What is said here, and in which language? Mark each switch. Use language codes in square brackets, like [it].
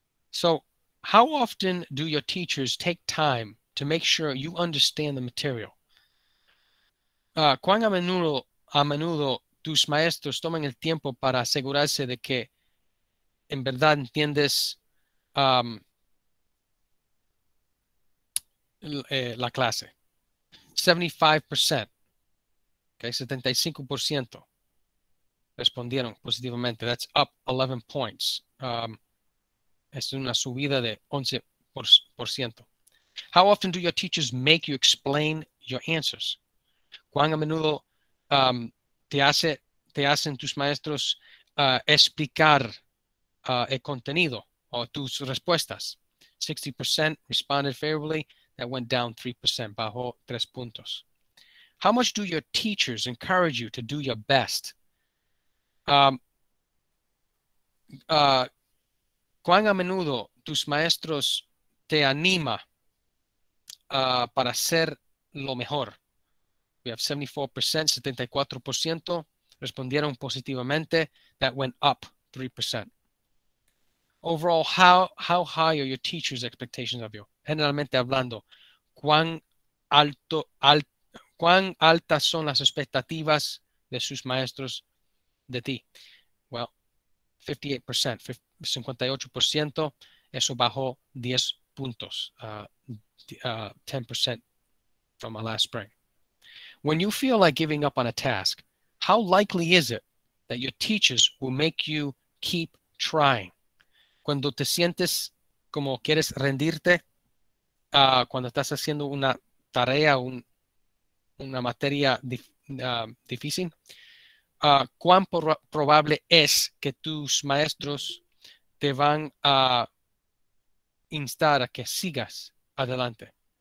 [en] So, how often do your teachers take time to make sure you understand the material? [es] ¿Cuán a menudo tus maestros toman el tiempo para asegurarse de que en verdad entiendes la clase. 75%. Okay, 75% respondieron positivamente. [en] That's up 11 points. [es] Es una subida de 11%. [en] How often do your teachers make you explain your answers? [es] ¿Cuán a menudo te hacen tus maestros explicar el contenido o tus respuestas? [en] 60% responded favorably. That went down 3%, [es] bajó 3 puntos. [en] How much do your teachers encourage you to do your best? [es] ¿Cuán a menudo tus maestros te anima para hacer lo mejor? [en] We have [es] 74%, 74% respondieron positivamente. [en] That went up 3%. Overall, how high are your teachers' expectations of you? [es] Generalmente hablando, ¿cuán altas son las expectativas de sus maestros de ti? [en] Well, 58%, 58%, [es] eso bajó 10 puntos, [en] 10% from last spring. When you feel like giving up on a task, how likely is it that your teachers will make you keep trying? [es] Cuando te sientes como quieres rendirte, cuando estás haciendo una tarea, una materia difícil, ¿cuán probable es que tus maestros te van a instar a que sigas adelante?